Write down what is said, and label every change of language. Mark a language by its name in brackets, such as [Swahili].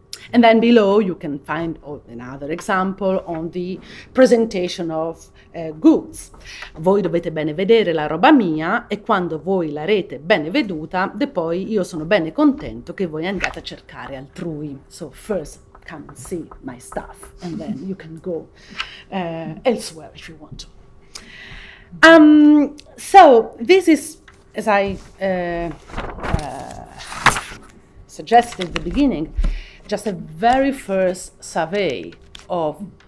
[English] And then below you can find another example on the presentation of goods. [Italian] Voi dovete bene vedere la roba mia e quando voi l'arete bene veduta, de poi io sono bene contento che voi andiate a cercare altrui. [English] So first come and see my stuff and then you can go elsewhere if you want to. So this is, as I suggested at the beginning, just a very first survey of